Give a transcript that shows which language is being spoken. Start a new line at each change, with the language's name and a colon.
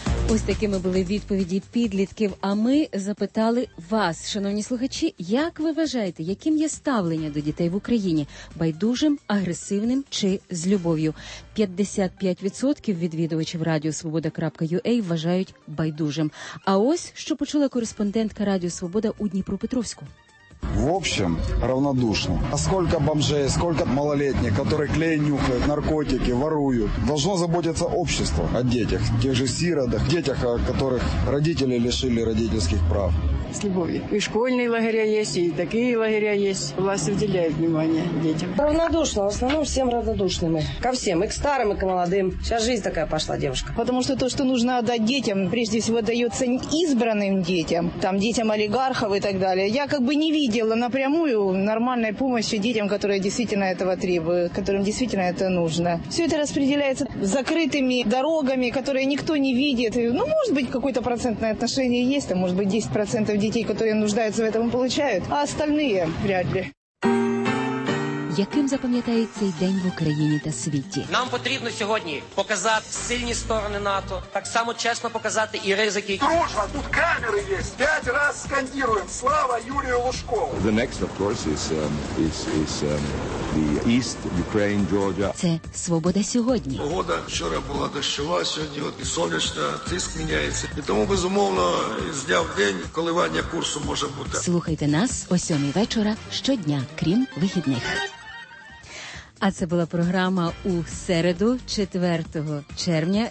Ukrainian: Ось такими були відповіді підлітків. А ми запитали вас, шановні слухачі, як ви вважаєте, яким є ставлення до дітей в Україні? Байдужим, агресивним чи з любов'ю? 55% відвідувачів Радіо Свобода.ua вважають байдужим. А ось, що почула кореспондентка Радіо Свобода у Дніпропетровську.
Russian: В общем, равнодушно. А сколько бомжей, сколько малолетних, которые клей нюхают, наркотики, воруют. Должно заботиться общество о детях, тех же сиротах, детях, о которых родители лишили родительских прав. С любовью. И школьные лагеря есть, и такие лагеря есть. Власть уделяет внимание детям. Равнодушно, в основном всем равнодушными. Ко всем, и к старым, и к молодым. Сейчас жизнь такая пошла, девушка. Потому что то, что нужно отдать детям, прежде всего, дается избранным детям, там детям олигархов и так далее, я как бы не видела. дело напрямую нормальной помощи детям, которые действительно этого требуют, которым действительно это нужно. Все это распределяется закрытыми дорогами, которые никто не видит. Ну, может быть, какое-то процентное отношение есть, а может быть, 10% детей, которые нуждаются в этом, получают, а остальные вряд ли.
Ukrainian: Яким запам'ятають цей день в Україні та світі? Нам потрібно сьогодні показати сильні сторони НАТО, так само чесно показати і ризики. Дружба, тут камери є. 5 разів скандируємо. Слава Юрію Лужкову.
English: The next, of course, is the East Ukraine, Georgia.
Ukrainian: Це «Свобода сьогодні». Погода вчора була дощова, сьогодні от і сонячна, тиск міняється. І тому, безумовно, з дня в день коливання курсу може бути. Слухайте нас о 7 вечора щодня, крім вихідних. А це була програма у середу, 4 червня.